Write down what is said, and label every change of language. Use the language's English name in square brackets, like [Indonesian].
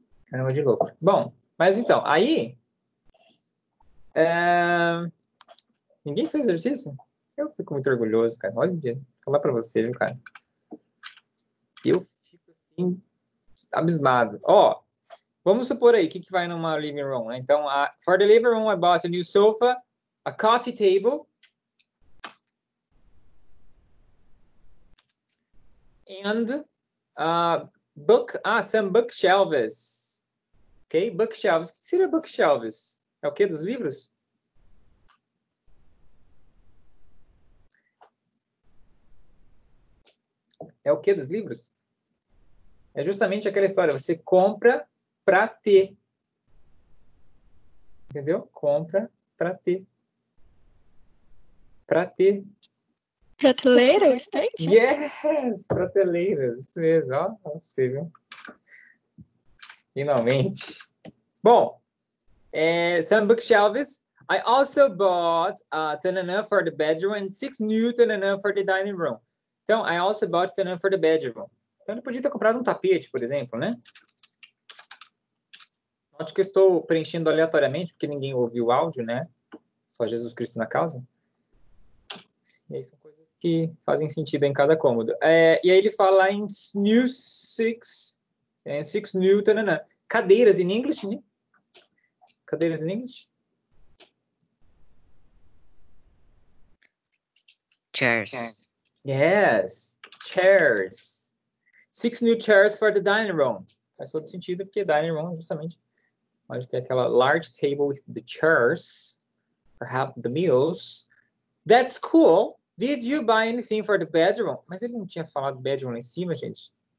[Portuguese] Caramba de louco. Bom, mas então, aí... ninguém fez exercício? Eu fico muito orgulhoso, cara. Olha, vou falar pra você, viu, cara? Eu fico, assim, abismado. Ó, vamos supor aí, o que, que vai numa living room, né? [English] Então, for the living room, I bought a new sofa, a coffee table, and some bookshelves. [Portuguese] Ok? Bookshelves. O que seria bookshelves? É o quê? Dos livros? É o quê? Dos livros? É justamente aquela história. Você compra pra ter. Entendeu? Compra pra ter. Pra ter. Prateleira, estante? Yes! Prateleiras, isso mesmo. Ó, não sei, viu? Finalmente. Bom, [English] some bookshelves. I also bought a tanana for the bedroom and 6 new tanana for the dining room. Então, I also bought tanana for the bedroom. [Portuguese] Então, ele podia ter comprado um tapete, por exemplo, né? Note que eu estou preenchendo aleatoriamente, porque ninguém ouviu o áudio, né? Só Jesus Cristo na casa. E aí são coisas que fazem sentido em cada cômodo. E aí ele fala em [English] new six new tanana. [Portuguese] Cadeiras em inglês, né? Cadeiras em inglês? [English] Chairs. Yes, chairs. 6 new chairs for the dining room. [Portuguese] Faz todo sentido, porque dining room justamente pode ter aquela [English] large table with the chairs, perhaps the meals. That's cool. Did you buy anything for the bedroom? [Portuguese] Mas ele não tinha falado bedroom lá em cima, gente.